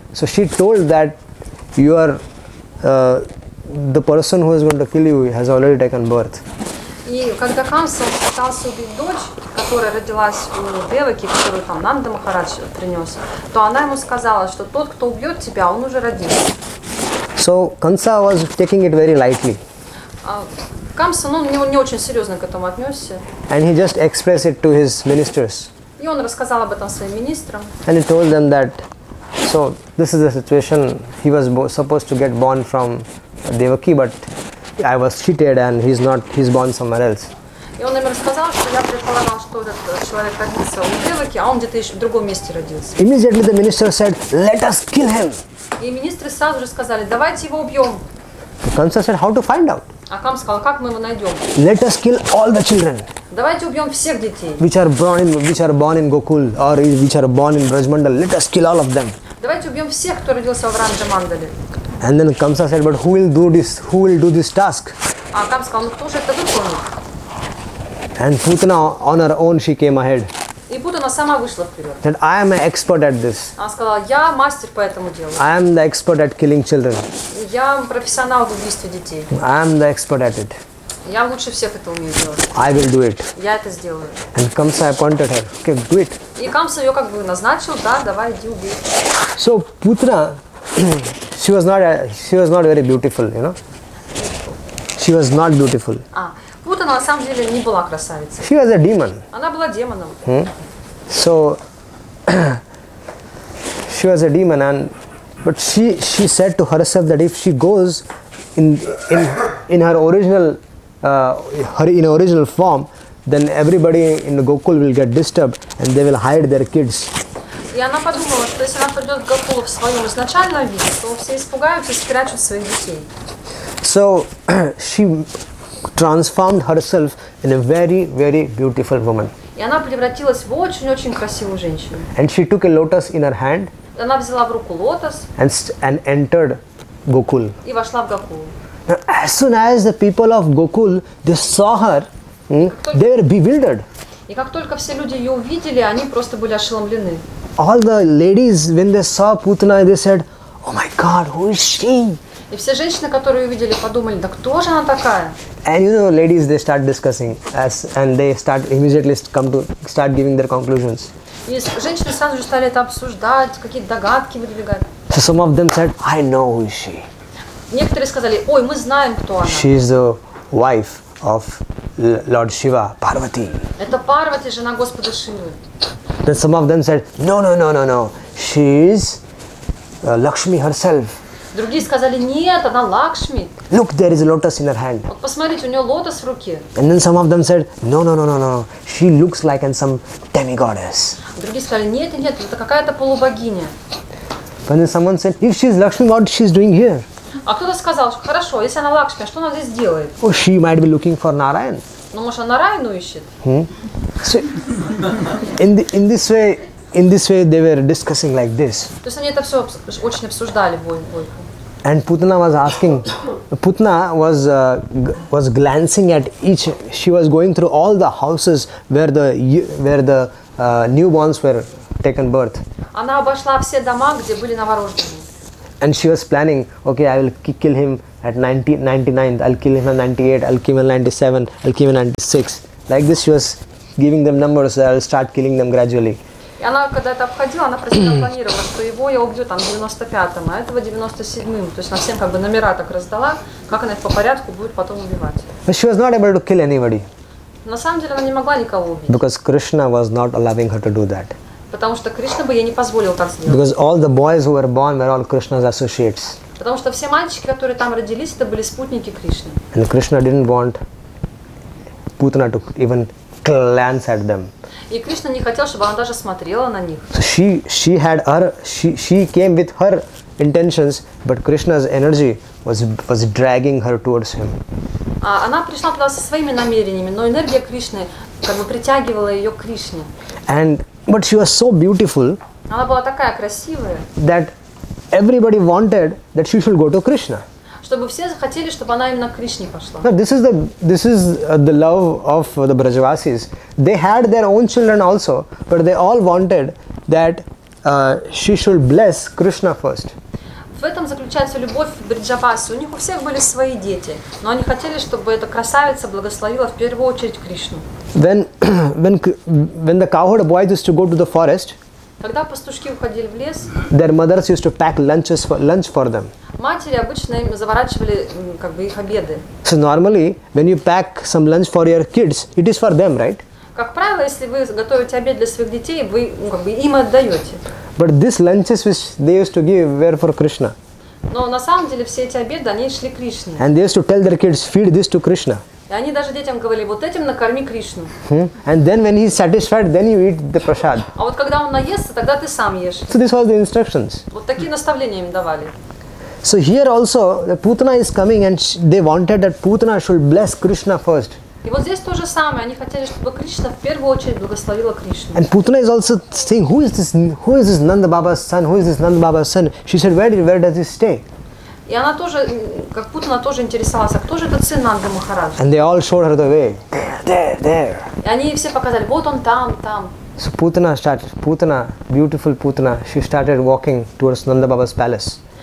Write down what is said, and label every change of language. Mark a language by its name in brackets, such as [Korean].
[English] So she told that you are the person who is going to kill you has already taken birth. [Russian] И когда Камса пытался убить дочь, которая родилась у Деваки, которую там Нанда Махарадж принес, то она ему сказала, что тот, кто убьет тебя, он уже родился. [English] So Kamsa was taking it very lightly. [Russian] Камса, ну, не очень серьезно к этому отнесся. [English] And he just expressed it to his ministers. [Russian] И он рассказал об этом своим министрам. [English] And he told them that, so this is the situation. He was supposed to get born from Devaki, but I was cheated, and he's born somewhere else. [Russian] И он им рассказал, что я предполагал, что этот человек родился у Деваки, а он где-то еще в другом месте родился. [English] Immediately the minister said, "Let us kill him." [Russian] И министры сразу же сказали, давайте его убьем. [English] Kamsa said, "How to find out?" [Russian] А Камса сказал, как мы его найдем? [English] Let us kill all the children. [Russian] Давайте убьем всех детей. [English] Which are born in Gokul or which are born in Brajmandal. Let us kill all of them. [Russian] Давайте убьем всех, кто родился в Ранджамандале. [English] And then Kamsa said, but who will do this? Who will do this task? [Russian] А Камса сказал, ну кто же это выполнит? [English] And Putana on her own she came ahead. [Russian] И Путана сама вышла вперед. [English] That I am an expert at this. [Russian] Она сказала, я мастер по этому делу. [English] I am the expert at killing children. [Russian] Я профессионал в убийстве детей. [English] I am the expert at it. [Russian] Я лучше всех это умею делать. [English] I will do it. [Russian] Я это сделаю. [English] And Kamsa appointed her. Okay, do it. [Russian] И Камса ее как бы назначил, да, давай иди убей. [English] So Putana, she was not very beautiful, you know. She was not beautiful. [Russian] Путана на самом деле не была красавицей. [English] She was a demon. [Russian] Она была демоном. [English] So she was a demon, but she said to herself that if she goes in her original form, then everybody in the Gokul will get disturbed and they will hide their kids. [Russian] И она подумала, что если она придет в Гокул в своем изначальном виде, то все испугаются и спрячут своих детей. [English] So she transformed herself in a very, very beautiful woman. [Russian] И она превратилась в очень-очень красивую женщину. [English] And she took a lotus in her hand. [Russian] И она взяла в руку лотос. [English] And entered Gokul. [Russian] И вошла в Гокул. [English] Now, as soon as the people of Gokul, they saw her, they were bewildered. [Russian] И как только все люди ее увидели, они просто были ошеломлены. [English] all the ladies, when they saw Putana, they said, "Oh my God, who is she?" [Russian] И все женщины, которые увидели, подумали, да кто же она такая? [English] And you know, ladies, they start discussing, as and they start immediately come to start giving their conclusions. [Russian] И женщины сразу же стали это обсуждать, какие-то догадки выдвигать. [English] So some of them said, "I know who is she." [Russian] Некоторые сказали, "Ой, мы знаем, кто она." [English] She is the wife of Lord Shiva, Parvati. [Russian] Это Парвати, жена Господа Шивы. [English] Then some of them said, "No. She is Lakshmi herself." [Russian] Другие сказали, "Нет, она Лакшми." [English] Look, there is a lotus in her hand. [Russian] Вот посмотрите, у нее лотос в руке. [English] And then some of them said, "No. She looks like some demigoddess." [Russian] Другие сказали, "Нет, это какая-то полубогиня." [English] And then someone said, "If she is Lakshmi, what she is doing here?" [Russian] А кто-то сказал, что хорошо, если она Лакшми, что она здесь делает? [English] Oh, she might be looking for Narayan. [Russian] Ну, может, она Нараяну ищет? [English] In this way, they were discussing like this. [Russian] То есть они это все очень обсуждали бойку. [English] And Putana was glancing at each. She was going through all the houses where the newborns were taken birth. [Russian] Она обошла все дома, где были новорожденные. [English] And she was planning, okay, I will kill him at 99th, I'll kill him at 98, I'll kill him at 97, I'll kill him at 96. Like this, she was giving them numbers, so I'll start killing them gradually. [Russian] Она когда это обходила, она планировала, что его я убью там 95-м, а этого 97-м. То есть она всем как бы номера так раздала, как она их по порядку будет потом убивать. [English] But she was not able to kill anybody. [Russian] На самом деле она не могла никого убить. [English] Because Krishna was not allowing her to do that. [Russian] Потому что Кришна бы ей не позволил так сделать. [English] Because all the boys who were born were all Krishna's associates. [Russian] Потому что все мальчики, которые там родились, это были спутники Кришны. [English] And Krishna didn't want Putana to even glance at them. [Russian] И Кришна не хотел, чтобы она даже смотрела на них. [English] So she came with her intentions, but Krishna's energy was dragging her towards him. [Russian] Она пришла туда со своими намерениями, но энергия Кришны как бы притягивала ее к Кришне. [English] But she was so beautiful that everybody wanted that she should go to Krishna. [Russian] Чтобы все захотели, чтобы она именно к Кришне пошла. [English] Now this is the love of the Brajavasis. They had their own children also, but they all wanted that she should bless Krishna first. [Russian] В этом заключается любовь Бриджаваси. У них у всех были свои дети, но они хотели, чтобы эта красавица благословила в первую очередь Кришну. [English] When the cowherd boys used to go to the forest, [Russian] когда пастушки уходили в лес, [English] their mothers used to pack lunch for them. [Russian] Матери обычно им заворачивали как бы их обеды. [English] So normally, when you pack some lunch for your kids, it is for them, right? [Russian] Как правило, если вы готовите обед для своих детей, вы как бы им отдаете. [English] But these lunches which they used to give were for Krishna. [Russian] Но на самом деле все эти обеды они шли Кришне. [English] And they used to tell their kids, "Feed this to Krishna." [Russian] И они даже детям говорили, вот этим накорми Кришну. [English] And then when he is satisfied, then you eat the prasad. [Russian] А вот когда он наестся, тогда ты сам ешь. [English] So this was the instructions. [Russian] Вот такие наставления им давали. [English] So here also Putana is coming, and they wanted that Putana should bless Krishna first. [Russian] И вот здесь то же самое, они хотели, чтобы Кришна в первую очередь благословила Кришну. [English] And Putana is also saying, who is this Nanda Baba's son? Who is this Nanda Baba's son? She said, where does he stay? [Russian] И она тоже, как Путана тоже интересовалась, а кто же этот сын Нанды Махарадж? [English] And they all showed her the way. There. [Russian] И они все показали, вот он там. [English] So Putana started, beautiful Putana, she started walking towards Nanda Baba's palace.